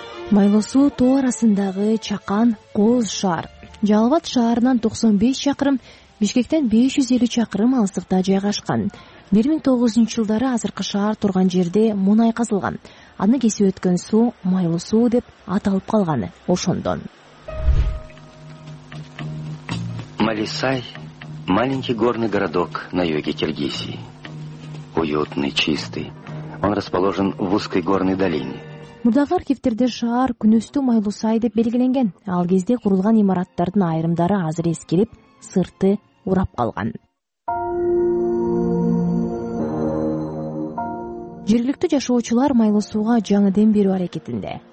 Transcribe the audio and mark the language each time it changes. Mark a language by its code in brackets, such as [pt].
[ky] Майлосуу тоо арасындагы Чакан Кооз шаар Жалбат шаарынан 95 чакырым, Бишкектен 550 чакырым алыстыкта жайгашкан. 1900-жылдары азыркы шаар турган жерде мунай казылган. Аны кесип өткөн суу майлы суу деп аталып калганы ошондон. [ru] Малисай – маленький горный городок на юге Киргизии. Уютный, чистый. Он расположен в узкой горной долине. [ky] Мурдагы кефтерде шаар күнөстүү Майлусай деп белгиленген. Ал кезде курулган имараттардын айрымдары азыр эскирип, сырты урап калган. Жергиликтүү жашоочулар Майлусууга жаңы дем берүү аракетинде.